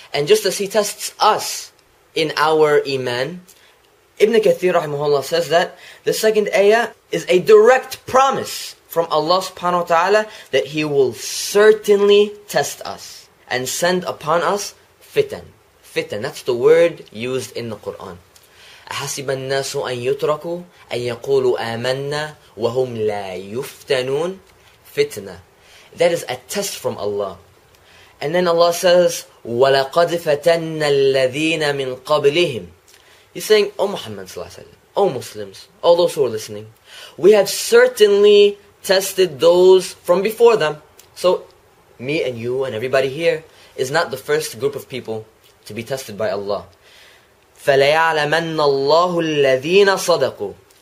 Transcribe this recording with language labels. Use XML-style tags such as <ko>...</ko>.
<en>And just as He tests us in our iman, Ibn Kathir rahimahullah says that the second ayah is a direct promise from Allah subhanahu wa ta'ala that He will certainly test us and send upon us fitan. Fitan, that's the word used in the Qur'an.</en> <ar>أَحَسِبَ النَّاسُ أَن يُتْرَكُوا أَن يَقُولُوا آمَنَّا وَهُمْ لَا يُفْتَنُونَ.</ar> <en>Fitna, that is a test from Allah. And then Allah says,</en> <ar>وَلَقَدْ فَتَنَّ الَّذِينَ مِن قَبْلِهِمْ.</ar> <en>He's saying, O Muhammad sallallahu alayhi wa sallam, O Muslims, all those who are listening, we have certainly tested those from before them. So, me and you and everybody here is not the first group of people to be tested by Allah.</en> <ar>فَلَيَعْلَمَنَّ اللَّهُ الَّذِينَ صَدَقُوا.</ar>